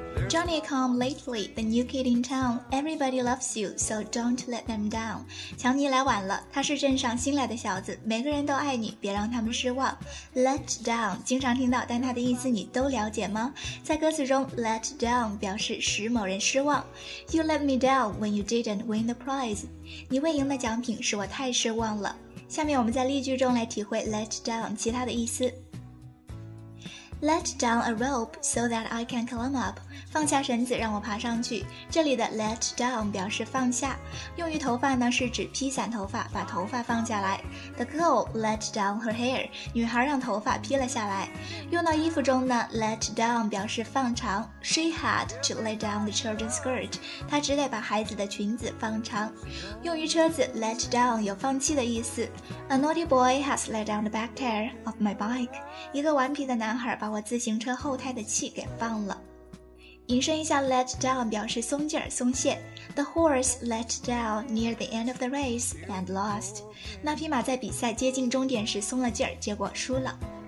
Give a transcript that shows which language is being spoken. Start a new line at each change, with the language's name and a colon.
English: Johnny come lately, the new kid in town. Everybody loves you, so don't let them down.
Chinese: 乔尼来晚了，他是镇上新来的小子，每个人都爱你，别让他们失望。 Let down 经常听到，但它的意思你都了解吗？在歌词中 ，let down 表示使某人失望。
English: You let me down when you didn't win the prize.
Chinese: 你未赢的奖品使我太失望了。下面我们在例句中来体会 let down 其他的意思。
English: Let down a rope so that I can climb up.
Chinese: 放下绳子让我爬上去。这里的 let down 表示放下，用于头发呢是指披散头发，把头发放下来。
English: The girl let down her hair.
Chinese: 女孩让头发披了下来。用到衣服中呢， let down 表示放长。
English: She had to lay down the children's skirt.
Chinese: 她只得把孩子的裙子放长。用于车子， let down 有放弃的意思。
English: A naughty boy has let down the back tire of my bike.
Chinese: 一个顽皮的男孩把我自行车后胎的气给放了。引申一下 let down 表示松劲儿、松懈。
English: The horse let down near the end of the race and lost.
Chinese: 那匹马在比赛接近终点时松了劲儿，结果输了。